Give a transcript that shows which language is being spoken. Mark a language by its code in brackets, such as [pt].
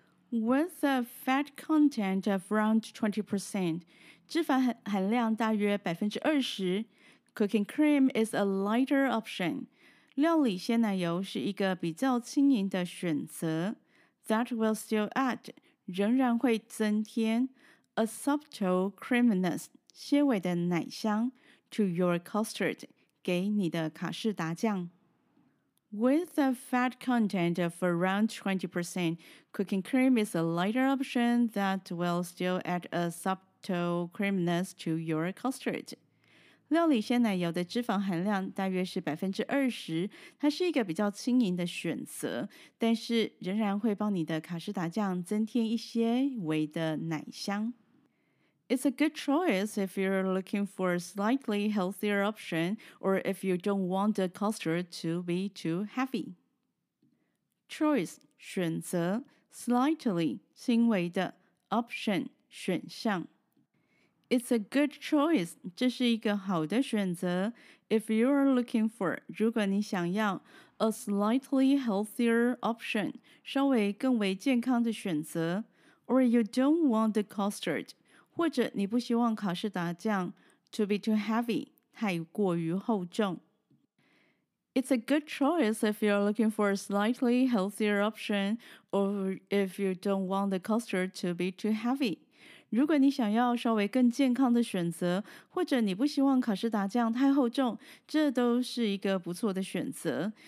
[en] With a fat content of around 20%, [zh] 脂肪含量大约 20%, [en] cooking cream is a lighter option, [zh] 料理鲜奶油是一个比较轻盈的选择 [en] that will still add, [zh] 仍然会增添 [en] a subtle creaminess, [zh] 些微的奶香 [en] to your custard, [zh] 给你的卡士达酱。 [en] With a fat content of around 20%, cooking cream is a lighter option that will still add a subtle creaminess to your custard. [zh] 料理鲜奶油的脂肪含量大约是 20%, 它是一个比较轻盈的选择，但是仍然会帮你的卡士达酱增添一些微的奶香。 [en] It's a good choice if you're looking for a slightly healthier option or if you don't want the custard to be too heavy. Choice, 选择, slightly, 轻微的, option, 选项。 It's a good choice, [zh] 这是一个好的选择。 [en] If you are looking for, [zh] 如果你想要, [en] a slightly healthier option, [zh] 稍微更为健康的选择。 [en] Or you don't want the custard, [zh] 或者你不希望卡士达酱, [en] to be too heavy, [zh] 太过于厚重。 [en] It's a good choice if you're looking for a slightly healthier option or if you don't want the custard to be too heavy. [zh] 如果你想要稍微更健康的选择,或者你不希望卡士达酱太厚重,这都是一个不错的选择。